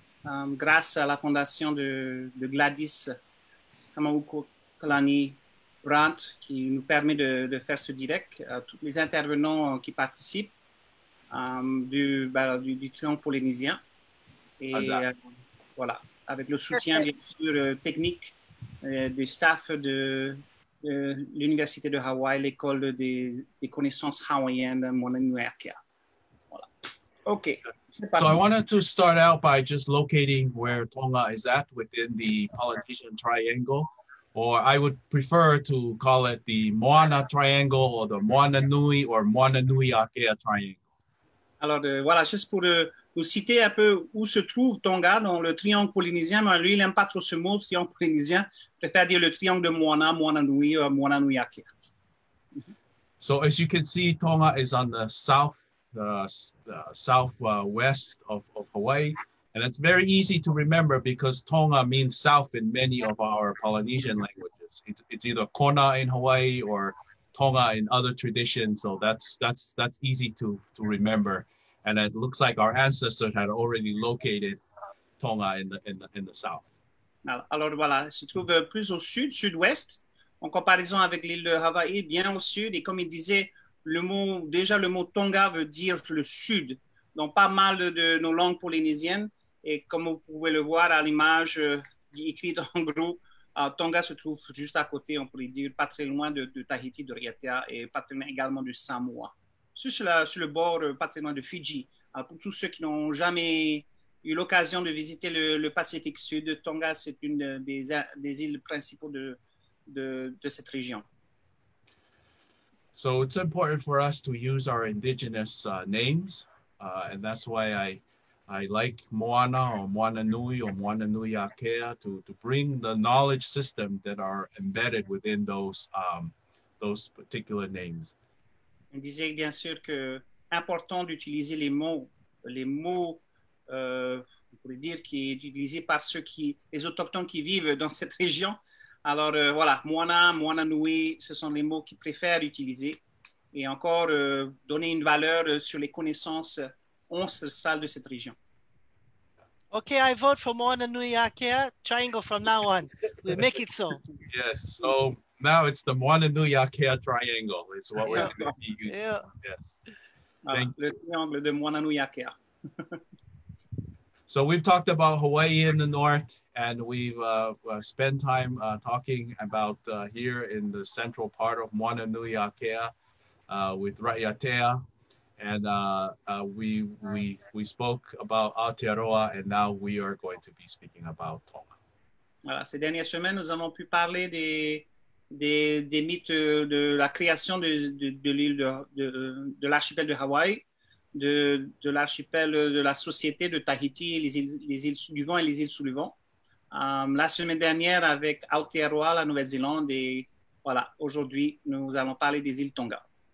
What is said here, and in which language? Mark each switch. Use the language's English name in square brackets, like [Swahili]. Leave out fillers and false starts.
[French] Grâce à la fondation de Gladys, Kamakakūokalani, Brandt, qui nous permet de faire ce direct, tous les intervenants qui participent du triangle polynésien. Et voilà, avec le soutien, bien sûr, technique du staff de l'Université de Hawaï, l'École des connaissances hawaïennes, inuiākea. [English] Okay. So I wanted to start out by just locating where Tonga is at within the Polynesian Triangle, or I would prefer to call it the Moana Triangle or the Moana Nui or Moana Nuiākea Triangle. [French] Alors voilà, juste pour vous citer un peu où se trouve Tonga dans le triangle polynésien, mais lui il n'aime pas trop ce mot triangle polynésien, préfère dire le triangle de Moana, Moana Nui ou Moana Nuiākea. [English] So as you can see, Tonga is on the south. The southwest of Hawaii, and it's very easy to remember because Tonga means south in many of our Polynesian languages. It's either Kona in Hawaii or Tonga in other traditions, so that's easy to remember. And it looks like our ancestors had already located Tonga in the south. [French] Alors voilà, se trouve plus au sud, sud-ouest, en comparaison avec l'île de Hawaii, bien au sud, et comme il disait. Le mot Tonga veut dire le sud, donc pas mal de nos langues polynésiennes. Et comme vous pouvez le voir à l'image écrite en gros, Tonga se trouve juste à côté, on pourrait dire, pas très loin de Tahiti, de Raiatea et pas très loin également du Samoa. Sur le bord, pas très loin de Fidji. Pour tous ceux qui n'ont jamais eu l'occasion de visiter le Pacifique Sud, Tonga, c'est une des îles principales de cette région. [English] So it's important for us to use our indigenous names, and that's why I like Moana or Moana Nui or Moana Nuiākea to bring the knowledge system that are embedded within those particular names. [French] On disait bien sûr que important d'utiliser les mots on pourrait dire qui est utilisé par ceux qui les autochtones qui vivent dans cette région. Alors voilà, Moana, Moana Nui, ce sont les mots qu'ils préfèrent utiliser et encore donner une valeur sur les connaissances ancestrales de cette région. [English] OK, I vote for Moana Nuiākea Triangle from now on. We make it so. Yes, so now it's the Moana Nuiākea Triangle. It's what we're going to be using. Yeah. Yes. [French] Le triangle de Moana Nuiākea. [English] So we've talked about Hawaii in the north. And we've spent time talking about here in the central part of Moana Nuiākea with Raiatea. And we spoke about Aotearoa, and now we are going to be speaking about Tonga. [French] Voilà, ces dernières semaines, nous avons pu parler des mythes de la création de l'archipel de Hawaii. de l'archipel de la société de Tahiti, les îles du vent et les îles sous le vent. La semaine dernière avec Aotearoa, la Nouvelle-Zélande, et voilà, aujourd'hui, nous allons parler des îles Tonga.